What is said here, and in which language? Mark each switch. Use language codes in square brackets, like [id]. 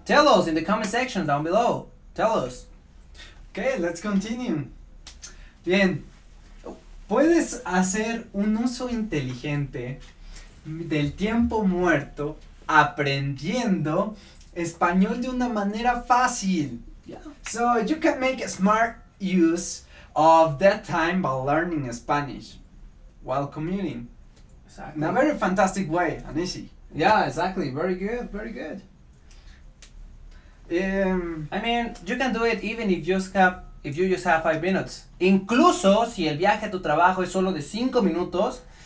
[en] Tell us in the comment section down below. Tell us. Okay, let's continue. Bien. [es] Puedes hacer un uso inteligente del tiempo muerto aprendiendo español de una manera fácil. [en] Yeah. So you can make a smart use of that time by learning Spanish while commuting. Exactly. In a very fantastic way, and easy. Yeah, exactly. Very good. I mean, you can do it even if you just have 5 minutes. [es] Incluso si el viaje a tu trabajo es solo de 5 minutos.